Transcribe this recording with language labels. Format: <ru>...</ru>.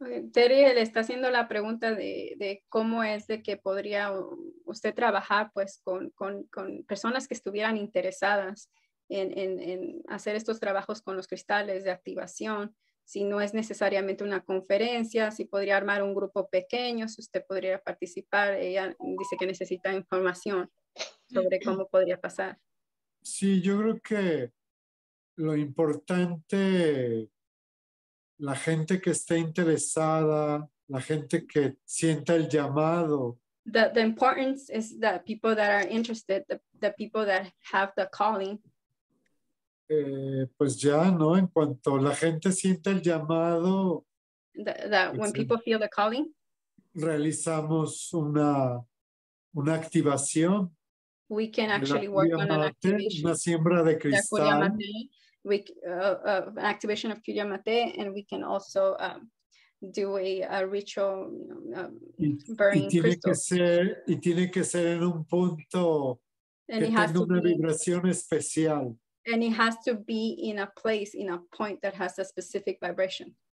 <es>Terry le está haciendo la pregunta de cómo es de que podría usted trabajar pues con personas que estuvieran interesadas en hacer estos trabajos con los cristales de activación, si no es necesariamente una conferencia, si podría armar un grupo pequeño, si usted podría participar. Ella dice que necesita información sobre cómo podría pasar. Sí, yo creo que lo importante, la gente que esté interesada, la gente que sienta el llamado</es> <en>the importance is the people that are interested, the people that have the calling.</en> <es>Pues ya, ¿no? En cuanto la gente sienta el llamado.</es> <en>That when people feel the calling.</en> <es>Realizamos una activación.</es> <en>We can actually work on an activation.</en> <es>Una siembra de cristal.</es> <en>An activation of Curia Mate, and we can also do a ritual burning crystal.</en> <es>Y tiene que ser en un punto una vibración especial.</es> <en>And it has to be in a place, in a point that has a specific vibration.</en>